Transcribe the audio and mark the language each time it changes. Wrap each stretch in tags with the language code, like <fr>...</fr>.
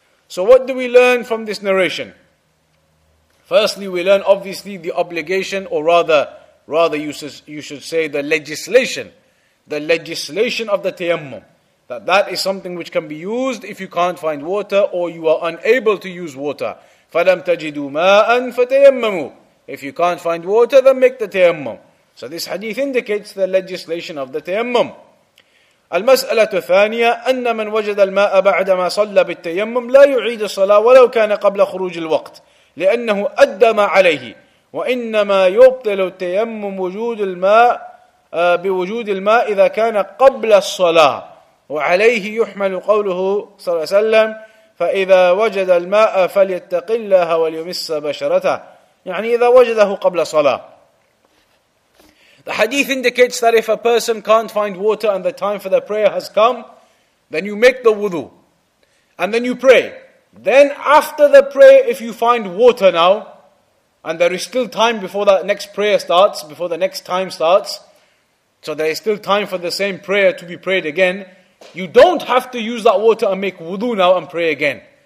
<en>So what do we learn from this narration? Firstly, we learn obviously the obligation, or rather you should say the legislation. The legislation of the tayammum. That is something which can be used if you can't find water or you are unable to use water.</en> <ar>فَلَمْ تَجِدُوا مَاءً فَتَيَمَّمُوا.</ar> <en>If you can't find water, then make the tayammum. So this hadith indicates the legislation of the tayammum.</en> <ar>المسألة الثانية أن من وجد الماء بعد ما صلى بالتيمم لا يعيد الصلاة ولو كان قبل خروج الوقت لأنه أدى ما عليه وإنما يبطل التيمم وجود الماء بوجود الماء إذا كان قبل الصلاة وعليه يحمل قوله صلى الله عليه وسلم فإذا وجد الماء فليتق الله وليمس بشرته يعني إذا وجده قبل صلاة.</ar> <en>The hadith indicates that if a person can't find water and the time for the prayer has come, then you make the wudu and then you pray. Then after the prayer, if you find water now and there is still time before that next prayer starts, before the next time starts, so there is still time for the same prayer to be prayed again, you don't have to use that water and make wudu now and pray again.</en>